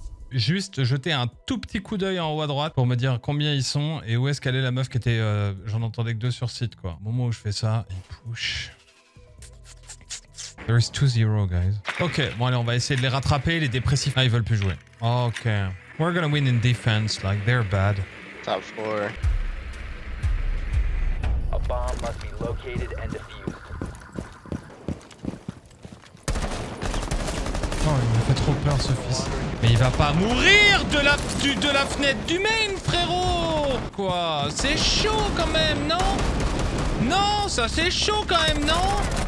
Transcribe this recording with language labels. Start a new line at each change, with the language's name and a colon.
French: Juste jeter un tout petit coup d'œil en haut à droite pour me dire combien ils sont et où est-ce qu'elle est la meuf qui était... J'en entendais que deux sur site, quoi. Au moment où je fais ça, il push.
English: There is 2-0, guys.
French: Ok, bon allez, on va essayer de les rattraper, les dépressifs. Ah, ils veulent plus jouer. Ok.
English: We're gonna win in defense, like, they're bad. Top 4. A bomb must be located and defused.
French: Oh, il me fait trop peur, ce fils. Mais il va pas mourir de la fenêtre du main, frérot. Quoi? C'est chaud, quand même, non? Non, ça, c'est chaud, quand même, non?